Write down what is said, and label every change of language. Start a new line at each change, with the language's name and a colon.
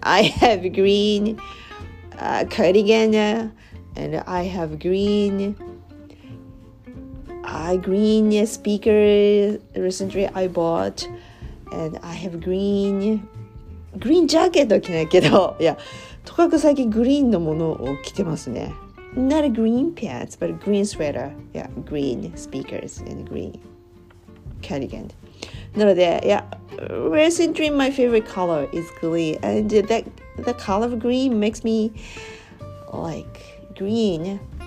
English: I have green cardigan and I have green green speaker recently I bought and I have green jacket. Yeah.
Japanese: とかく最近グリーンのものを着てますね。
English: Not a green pants, but a green sweater. Yeah, green speakers and green. Cardigan. なので、yeah, recently my favorite color is green, and that the color of green makes me like green.